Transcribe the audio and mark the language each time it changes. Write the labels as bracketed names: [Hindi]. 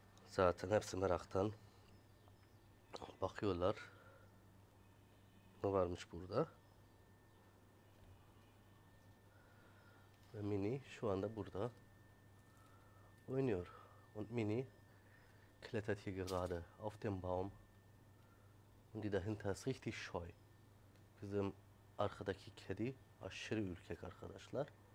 [Turkish] Zaten hepsi meraktan bakıyorlar. Ne varmış burada? Ve Mini şu anda burada oynuyor. [German] Und Mini klettert hier gerade auf dem Baum. Und die dahinter ist richtig scheu. [Turkish] Bizim arkadaki kedi aşırı ürkek arkadaşlar.